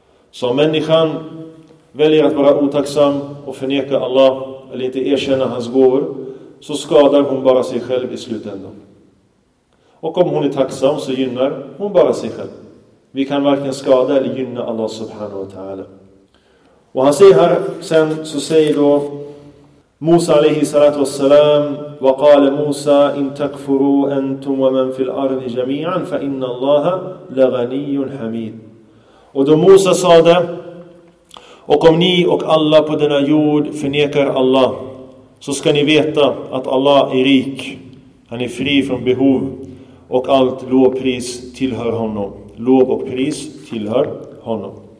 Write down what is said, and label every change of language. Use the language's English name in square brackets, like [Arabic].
[Swedish] Så om människan väljer att vara otacksam och förneka Allah eller inte erkänna hans gåvor, så skadar hon bara sig själv i slutändan. Och om hon är tacksam så gynnar hon bara sig själv. Vi kan varken skada eller gynna Allah subhanahu wa ta'ala. Och han säger här, sen så säger då Musa alayhi salatu wassalam [Arabic] وقال موسى إن تكفروا أنتم ومن في الأرض جميعا فإن الله لغني حميد. [Swedish] Och då Musa sa det, och om ni och alla på denna jord förnekar Allah, så ska ni veta att Allah är rik. Han är fri från behov. Och allt lovpris tillhör honom. Lov och pris tillhör honom.